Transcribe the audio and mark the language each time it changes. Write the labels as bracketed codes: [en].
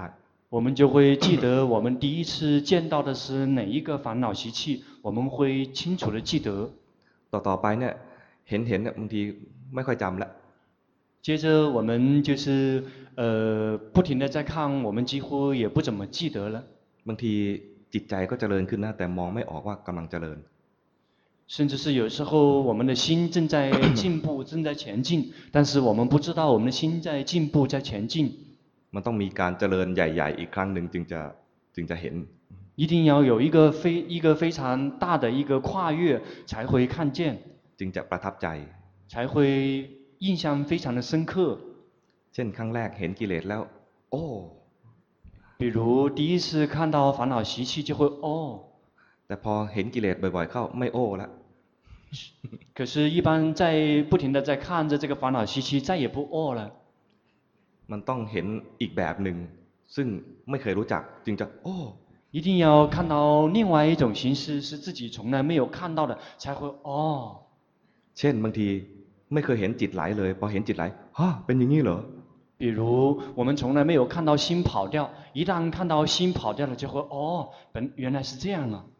[zh] 我们就会记得我们第一次见到的是哪一个烦恼习气我们会清楚的记得 [th] ต่อไปเนี่ยเห็นบางทีไม่ค่อยจำละ [zh] 接着我们就是不停的在看我们几乎也不怎么记得了 [th] บางทีจิตใจก็เจริญขึ้นนะแต่มองไม่ออกว่ากำลังเจริญ [zh] 甚至是有时候我们的心正在进步正在前进但是我们不知道我们的心在进步在前进 [th] มันต้องมีการเจริญใหญ่ๆอีกครั้งหนึ่งจึงจะเห็น [zh] 一定要有一个非常大的一个跨越才会看见 [th] จึงจะประทับใจ [zh] 才会印象非常的深刻 [th] เช่นครั้งแรกเห็นกิเลสแล้วโอ้ [zh] 比如第一次看到烦恼习气就会 [th] โอ้ แต่พอเห็นกิเลสบ่อยๆเข้าไม่โอ้ละ [zh] 可是一般在不停的在看着这个烦恼习气再也不 [th] โอ้ [zh] 了 [th] มันต้องเห็นอีกแบบหนึ่งซึ่งไม่เคยรู้จักจึงจะโอ้ [zh] 一定要看到另外一种形式是自己从来没有看到的才会哦。 [th] เช่นบางทีไม่เคยเห็นจิตไหลเลยพอเห็นจิตไหลฮะเป็นอย่างนี้เหรอ [zh] 比如我们从来没有看到心跑掉一旦看到心跑掉了就会哦本原来是这样了